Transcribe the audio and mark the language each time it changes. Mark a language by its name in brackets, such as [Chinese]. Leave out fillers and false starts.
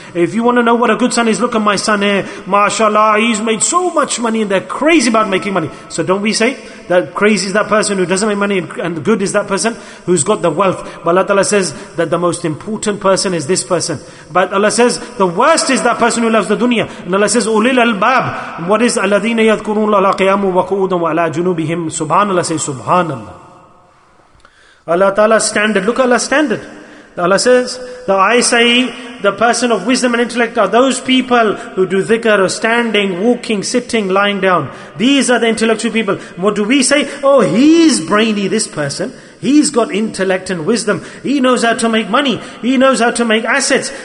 [English] If you want to know what a good son is, look at my son here, mashallah, he's made so much money and they're crazy about making money. So don't we say that crazy is that person who doesn't make money and good is that person who's got the wealth. But Allah Ta'ala says that the most important person is this person. But Allah says the worst is that person who loves the dunya. And Allah says, ulil albab. What is Allah? [Arabic] الذين يذكرون الله قياما وقعودا وعلى جنوبهم سبحان الله [English] say [Arabic] سبحان الله. [English] Allah Ta'ala's standard. Look at Allah's standard. Allah says that I say the person of wisdom and intellect are those people who do dhikr, standing, walking, sitting, lying down. These are the intellectual people. What do we say? Oh, he's brainy, this person. He's got intellect and wisdom. He knows how to make money. He knows how to make assets.